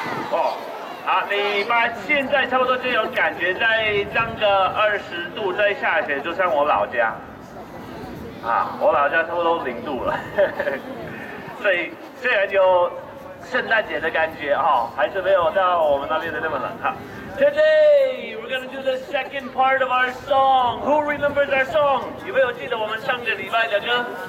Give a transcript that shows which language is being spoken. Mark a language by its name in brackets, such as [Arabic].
[Chinese] 哦，好，你把现在差不多这种感觉，再当个20度，再下雪，就像我老家。啊，我老家差不多0度了，所以虽然有圣诞节的感觉哈、哦，还是没有到我们那边的那么冷哈。 [English] Today we're gonna do the second part of our song. Who remembers our song? [Chinese] 有没有记得我们上个礼拜的歌？